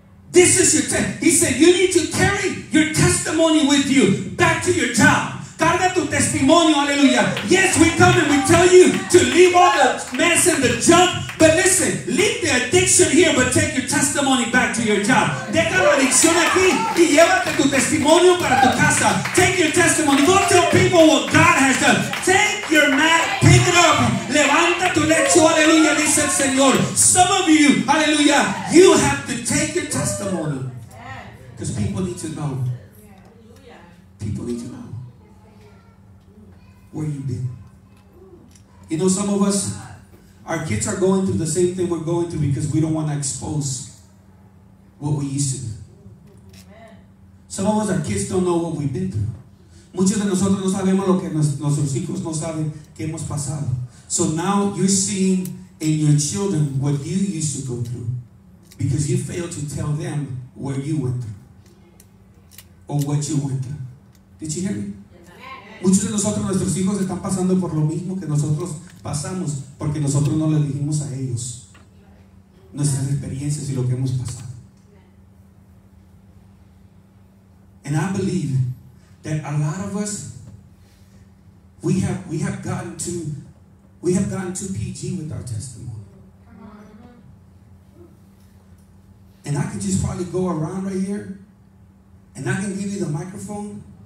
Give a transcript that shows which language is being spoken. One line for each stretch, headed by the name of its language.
English: This is your testimony. He said, you need to carry your testimony with you back to your job.
Spanish: Carga tu testimonio, aleluya.
English: Yes, we come and we tell you to leave all the mess and the junk. But listen, leave the addiction here, but take your testimony back to your job.
Spanish: Deja la adicción aquí y llévate tu testimonio para tu casa.
English: Take your testimony. Go tell people what God has done. Take your mat, pick it up.
Spanish: Levanta tu lecho, aleluya, dice el Señor.
English: Some of you, aleluya, you have to take your testimony. Because people need to know. People need to know. Where you been? You know, some of us, our kids are going through the same thing we're going through because we don't want to expose what we used to do. Some of us, our kids don't know what we've been through.
Spanish: Muchos de nosotros no sabemos lo que nuestros hijos no saben que hemos pasado.
English: So now you're seeing in your children what you used to go through because you failed to tell them where you went through or what you went through. Did you hear me?
Spanish: Muchos de nosotros, nuestros hijos, están pasando por lo mismo que nosotros pasamos porque nosotros no le dijimos a ellos nuestras experiencias y lo que hemos pasado.
English: And I believe that a lot of us, we have gotten too PG with our testimony. And I can just probably go around right here and I can give you the microphone.